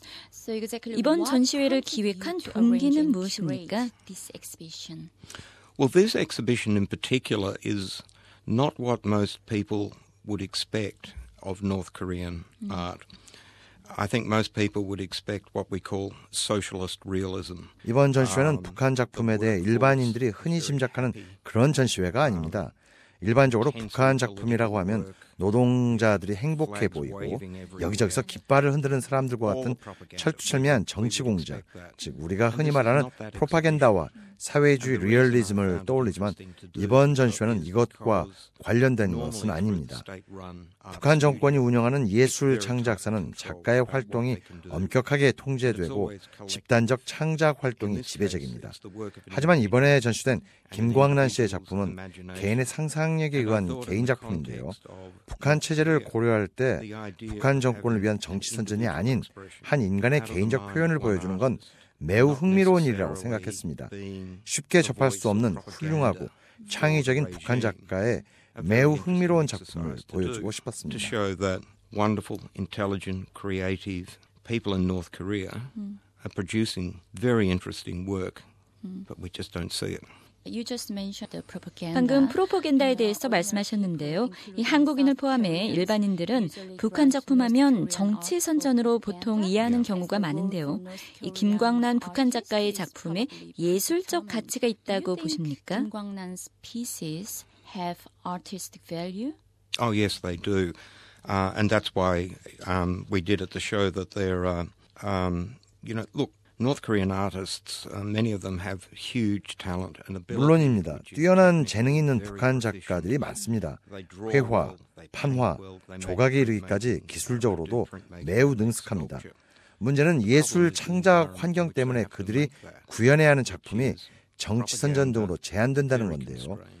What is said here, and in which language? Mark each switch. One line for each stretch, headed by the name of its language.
English: So exactly,
Korean: 이번 전시회를 기획한 동기는 무엇입니까?
English: This exhibition. Well, this exhibition in particular is not what most people would expect of North Korean art. I think most people would expect what we call socialist realism.
Korean: 이번 전시회는 북한 작품에 대해 일반인들이 흔히 짐작하는 그런 전시회가 아닙니다. 일반적으로 북한 작품이라고 하면 노동자들이 행복해 보이고 여기저기서 깃발을 흔드는 사람들과 같은 철두철미한 정치 공작, 즉 우리가 흔히 말하는 프로파간다와 사회주의 리얼리즘을 떠올리지만 이번 전시회는 이것과 관련된 것은 아닙니다. 북한 정권이 운영하는 예술 창작사는 작가의 활동이 엄격하게 통제되고 집단적 창작 활동이 지배적입니다. 하지만 이번에 전시된 김광란 씨의 작품은 개인의 상상력에 의한 개인 작품인데요. 북한 체제를 고려할 때 북한 정권을 위한 정치 선전이 아닌 한 인간의 개인적 표현을 보여주는 건 매우 흥미로운 일이라고 생각했습니다. 쉽게 접할 수 없는 훌륭하고 창의적인 북한 작가의 매우 흥미로운 작품을 보여주고 싶었습니다.
English: To show that wonderful, intelligent, creative people in North Korea are producing very interesting work, but we just don't see it. You just mentioned the propaganda.
Korean: 방금 프로파간다에 대해서 말씀하셨는데요. 이 한국인을 포함해 일반인들은 북한 작품 하면 정치 선전으로 보통 이해하는 경우가 많은데요. 이 김광란 북한 작가의 작품에 예술적 가치가 있다고 보십니까?
English: Kim광란's pieces have artistic value? Oh yes, they do. And that's why we did at the show that they're you know, look North Korean artists, many of them have huge talent and ability.
Korean: 물론입니다. 뛰어난 재능 있는 북한 작가들이 많습니다. 회화, 판화, 조각에 이르기까지 기술적으로도 매우 능숙합니다. 문제는 예술 창작 환경 때문에 그들이 구현해야 하는 작품이 정치 선전 등으로 제한된다는 건데요.